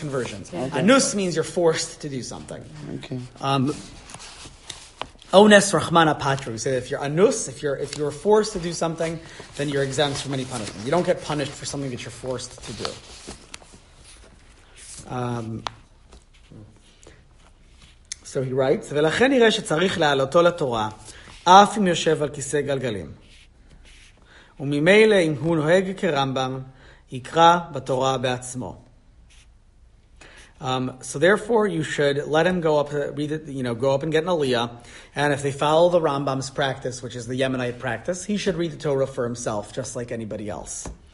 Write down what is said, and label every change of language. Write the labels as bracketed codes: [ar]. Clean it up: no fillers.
[en] conversions. Okay. Anus means you're forced to do something. Okay. [arc] Ones rachmana patra. [en] We say that if you're anus, if you're forced to do something, then you're exempt from any punishment. You don't get punished for something that you're forced to do. [he] So he writes, ולכן נראה שצריך להעלותו לתורה אף אם יושב על כיסא גלגלים. וממילא אם הוא נוהג כרמב״ם יקרא בתורה בעצמו. [en] So therefore you should let him go up, read it, you know, go up and get an aliyah, and if they follow the Rambam's practice, which is the Yemenite practice, he should read the Torah for himself just like anybody else.